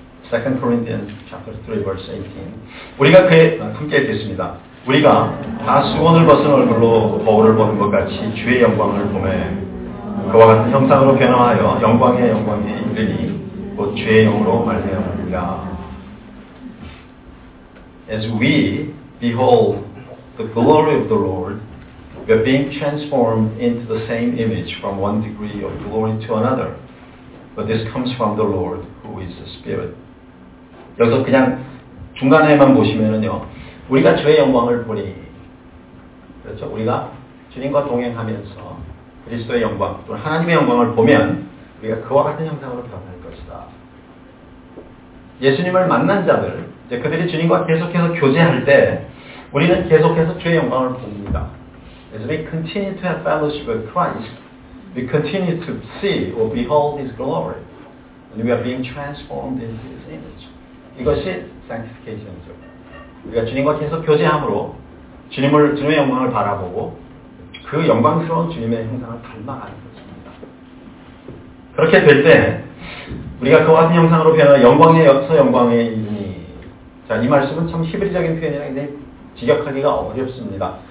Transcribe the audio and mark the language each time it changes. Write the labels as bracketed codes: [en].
[en] 2 Corinthians chapter 3 verse 18. [ko] 우리가 함께 읽겠습니다. 우리가 다 수건을 벗은 얼굴로 거울을 보는 것 같이 주의 영광을 보매 그와 같은 형상으로 변화하여 영광의 영광에 이르니 곧 주의 영으로 말미암으리라. [en] As we behold the glory of the Lord, we are being transformed into the same image from one degree of glory to another. But this comes from the Lord who is the Spirit. [ko] 여기서 그냥 중간에만 보시면은요, 우리가 주의 영광을 보니, 그렇죠? 우리가 주님과 동행하면서 그리스도의 영광, 또는 하나님의 영광을 보면, 우리가 그와 같은 형상으로 변할 것이다. 예수님을 만난 자들, 이제 그들이 주님과 계속해서 교제할 때 우리는 계속해서 주의 영광을 봅니다. [en] As we continue to have fellowship with Christ, we continue to see or behold His glory. And we are being transformed into His image. [ko] 이것이 sanctification이죠. 우리가 주님과 계속 교제함으로 주님의 영광을 바라보고 그 영광스러운 주님의 형상을 닮아가는 것입니다. 그렇게 될 때 우리가 그와 같은 형상으로 변화, 영광의 역서 영광의 이니. 자, 이 말씀은 참 히브리적인 표현이라 굉장히 직역하기가 어렵습니다.